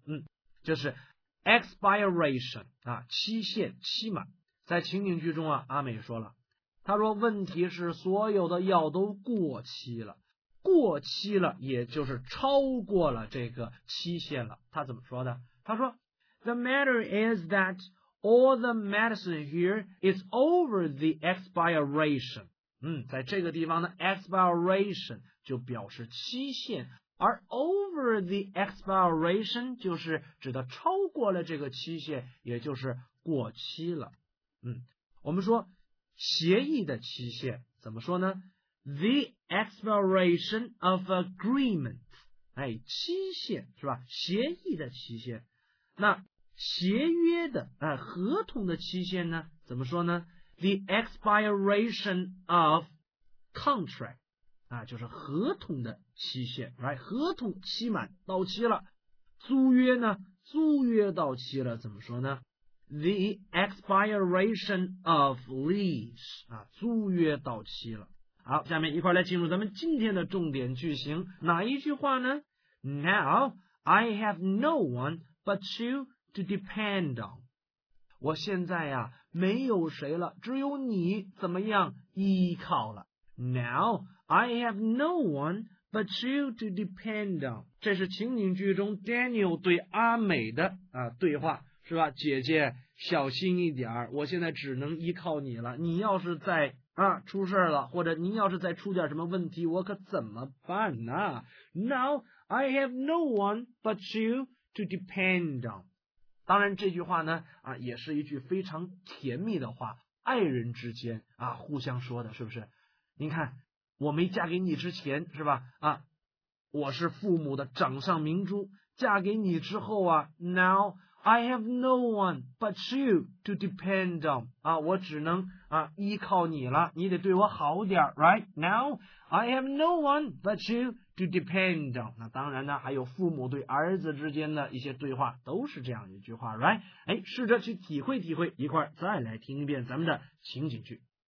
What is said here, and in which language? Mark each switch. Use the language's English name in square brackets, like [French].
[Chinese] 嗯，就是 expiration 啊，期限期满。在情景剧中啊，阿美说了，他说问题是所有的药都过期了，过期了也就是超过了这个期限了。他怎么说的？他说 [English] The matter is that all the medicine here is over the expiration。 [Chinese] 嗯，在这个地方呢 expiration 就表示期限，而 [English] over the expiration [Chinese] 就是指的超过了这个期限，也就是过期了。嗯，我们说协议的期限怎么说呢？ [English] the expiration of agreement， [Chinese] 哎，期限是吧，协议的期限。那协约的合同的期限呢怎么说呢？ [English] The expiration of contract [Chinese] 啊，就是合同的期限，来，合同期满到期了。租约呢？租约到期了，怎么说呢？ [English] The expiration of lease [Chinese] 啊，租约到期了。好，下面一块来进入咱们今天的重点句型，哪一句话呢？ [English] Now I have no one but you to depend on。 [Chinese] 我现在呀没有谁了，只有你怎么样依靠了。 [English] Now I have no one but you to depend on。 [Chinese] 这是情景剧中 Daniel 对阿美的对话，是吧？姐姐小心一点，我现在只能依靠你了，你要是在出事了，或者你要是再出点什么问题，我可怎么办呢？ [English] Now I have no one but you to depend on。 [Chinese] 当然这句话呢也是一句非常甜蜜的话，爱人之间互相说的，是不是？您看我没嫁给你之前是吧我是父母的掌上明珠，嫁给你之后啊 [English] Now I have no one but you to depend on [Chinese] 我只能依靠你了，你得对我好点， [English] right? Now I have no one but you to depend on。 [Chinese] 那当然呢还有父母对儿子之间的一些对话都是这样一句话， [English] right? [Chinese] 哎，试着去体会体会，一块再来听一遍咱们的情景剧。